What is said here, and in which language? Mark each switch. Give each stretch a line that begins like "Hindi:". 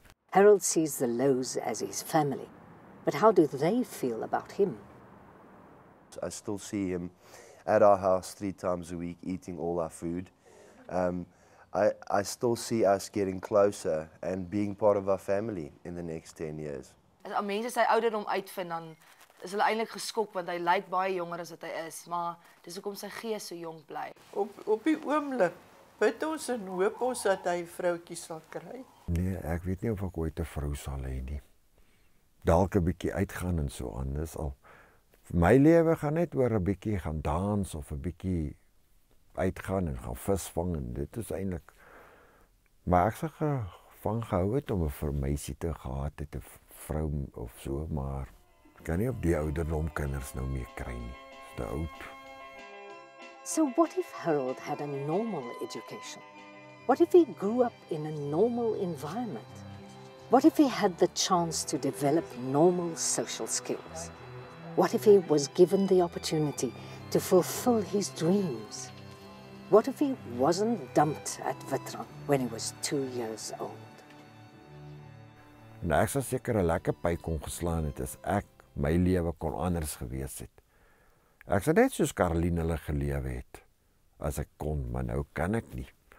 English: Harold sees the Lowe's as his family, but how do they feel about him? I still see him at our house 3 times a week eating all our food. I still see us getting closer and being part of our family in the next 10 years.
Afrikaans: As a mens sy ouderdom uitvind, dan is hulle eintlik geskok want hy lyk baie jonger as wat hy is, maar dis hoekom sy gees so jong bly. Op die oomblik bid ons en hoop ons dat hy 'n vroutjie sal kry. Nee, ek weet nie of ek ooit 'n vrou sal hê nie. Dalk 'n bietjie uitgaan en so aan, dis al. My lewe gaan net oor 'n bietjie gaan dans of 'n bietjie uitgaan en gaan visvang en dit is eintlik maar ek sal van gehou het om 'n meisie te gehad het, 'n vrou of so, maar kan nie op die ouderdom kinders nou meer kry nie. Dis te oud.
English: So what if Harold had a normal education? What if he grew up in a normal environment? What if he had the chance to develop normal social skills? What if he was given the opportunity to fulfill his dreams? What if he wasn't dumped at Vitran when he was 2 years old?
Afrikaans: Nou, ek sal seker 'n lekker pui kon geslaan het as ek my lewe kon anders gewees het. Ek sal net soos Caroline hulle gelewe het as ek kon, maar nou kan ek nie.